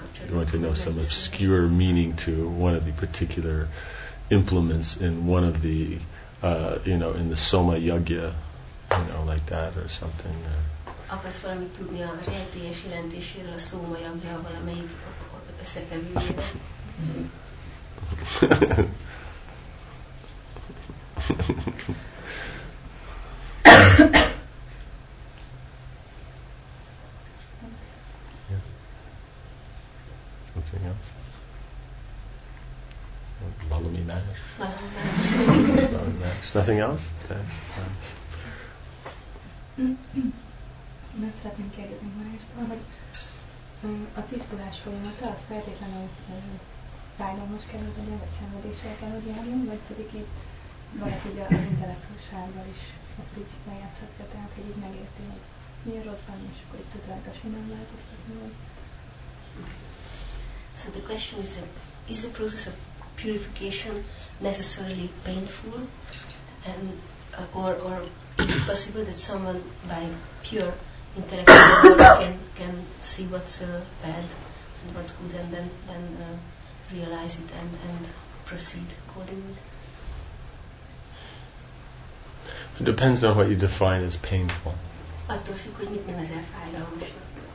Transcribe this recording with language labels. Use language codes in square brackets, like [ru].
[en] You want to know some obscure meaning to one of the particular implements in one of the, you know, in the Soma Yagya, you know, like that or something. [hu] Akarsz valamit tudni a rejtélyes jelentéséről a Soma Yagya valamelyik összetevőjében? [en] Something else? Balami Nash? Balami Nash. Nothing else? Yes. [hu] Megszeretném kérdezni Marást, hogy a tisztulás folyamata az feltétlenül fájdalmas kerül, vagy a szenvedéssel kell, hogy járjunk, vagy pedig itt valaki a intellektusággal is a principben játszhatja, tehát hogy így megérti, hogy mi a rossz van, és akkor itt tud rajta simán változtatni. [en] So the question is the process of purification necessarily painful, and or is it possible that someone by pure intellectual can see what's bad and what's good and then realize it and proceed accordingly? It depends on what you define as painful. [hu] Attól függ, hogy mit nevezel fájdalmasnak.